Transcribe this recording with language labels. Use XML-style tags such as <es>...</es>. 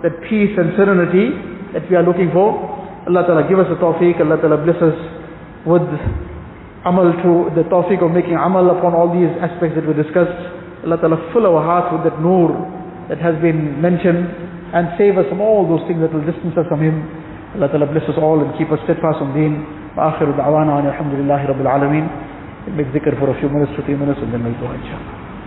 <en>that peace and serenity that we are looking for. Allah Ta'ala give us the tawfiq, Allah Ta'ala bless us with amal, to the tawfiq of making amal upon all these aspects that we discussed. Allah Ta'ala fill our hearts with that noor that has been mentioned, and save us from all those things that will distance us from Him. Allah Ta'ala bless us all and keep us steadfast on deen.</en> <ar>وآخر دعوانا أن الحمد لله رب العالمين.</ar> <en>Make ذكر for a few minutes, 15 minutes, and then we'll go inshallah.</en>